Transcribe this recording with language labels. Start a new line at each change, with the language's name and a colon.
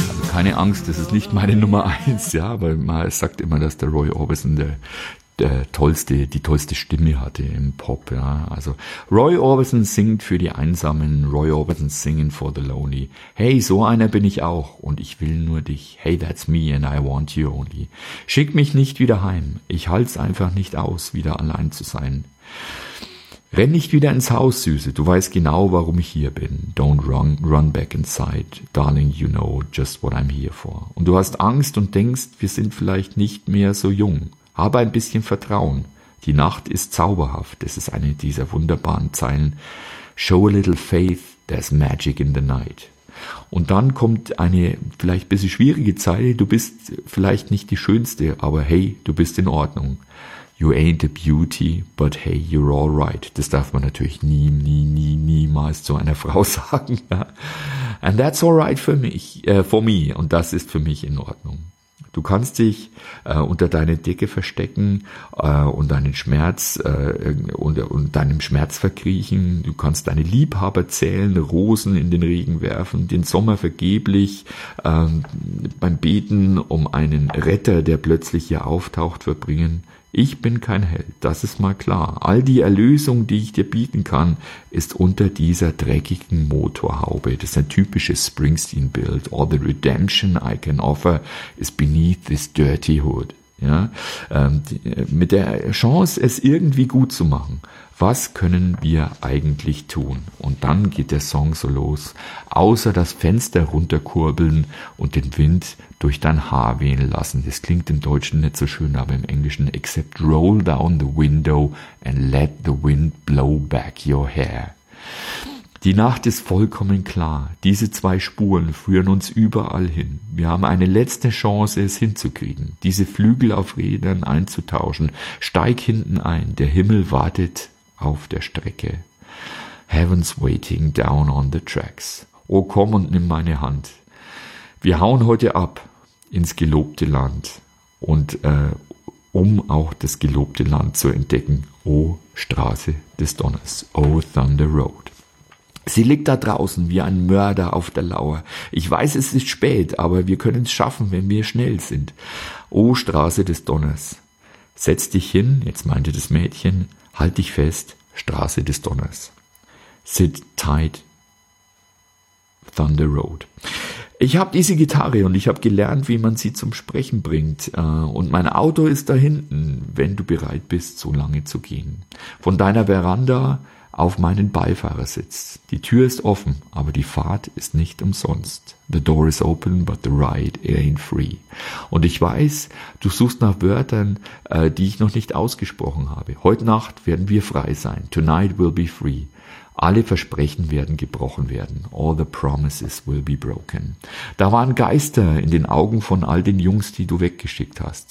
German: Keine Angst, das ist nicht meine Nummer 1, ja, weil man sagt immer, dass der Roy Orbison die tollste Stimme hatte im Pop, ja. Also Roy Orbison singt für die Einsamen,
English: Roy Orbison singing for the lonely.
German: Hey, so einer bin ich auch und ich will nur dich.
English: Hey, that's me and I want you only.
German: Schick mich nicht wieder heim, ich halt's einfach nicht aus, wieder allein zu sein. Renn nicht wieder ins Haus, Süße, du weißt genau, warum ich hier bin.
English: Don't run back inside, darling, you know just what I'm here for.
German: Und du hast Angst und denkst, wir sind vielleicht nicht mehr so jung. Habe ein bisschen Vertrauen. Die Nacht ist zauberhaft, das ist eine dieser wunderbaren Zeilen.
English: Show a little faith, there's magic in the night.
German: Und dann kommt eine vielleicht ein bisschen schwierige Zeile, du bist vielleicht nicht die Schönste, aber hey, du bist in Ordnung.
English: You ain't a beauty, but hey, you're all right.
German: Das darf man natürlich nie, nie, nie, niemals zu einer Frau sagen.
English: And that's all right for me.
German: Und das ist für mich in Ordnung. Du kannst dich unter deine Decke verstecken und deinen Schmerz und deinem Schmerz verkriechen. Du kannst deine Liebhaber zählen, Rosen in den Regen werfen, den Sommer vergeblich beim Beten um einen Retter, der plötzlich hier auftaucht, verbringen. Ich bin kein Held, das ist mal klar. All die Erlösung, die ich dir bieten kann, ist unter dieser dreckigen Motorhaube. Das ist ein typisches Springsteen-Bild.
English: All the redemption I can offer is beneath this dirty hood.
German: Ja? Mit der Chance, es irgendwie gut zu machen. Was können wir eigentlich tun? Und dann geht der Song so los. Außer das Fenster runterkurbeln und den Wind durch dein Haar wehen lassen. Das klingt im Deutschen nicht so schön, aber im Englischen.
English: Except roll down the window and let the wind blow back your hair.
German: Die Nacht ist vollkommen klar. Diese 2 Spuren führen uns überall hin. Wir haben eine letzte Chance, es hinzukriegen. Diese Flügel auf Rädern einzutauschen. Steig hinten ein. Der Himmel wartet auf der Strecke.
English: Heaven's waiting down on the tracks.
German: Oh, komm und nimm meine Hand. Wir hauen heute ab ins gelobte Land. Und um auch das gelobte Land zu entdecken. Oh, Straße des Donners. Oh, Thunder Road. Sie liegt da draußen wie ein Mörder auf der Lauer. Ich weiß, es ist spät, aber wir können es schaffen, wenn wir schnell sind. O Straße des Donners, setz dich hin, jetzt meinte das Mädchen, halt dich fest, Straße des Donners.
English: Sit tight, Thunder Road.
German: Ich habe diese Gitarre und ich habe gelernt, wie man sie zum Sprechen bringt. Und mein Auto ist da hinten, wenn du bereit bist, so lange zu gehen. Von deiner Veranda auf meinen Beifahrersitz. Die Tür ist offen, aber die Fahrt ist nicht umsonst.
English: The door is open, but the ride ain't free.
German: Und ich weiß, du suchst nach Wörtern, die ich noch nicht ausgesprochen habe. Heute Nacht werden wir frei sein.
English: Tonight will be free.
German: Alle Versprechen werden gebrochen werden.
English: All the promises will be broken.
German: Da waren Geister in den Augen von all den Jungs, die du weggeschickt hast.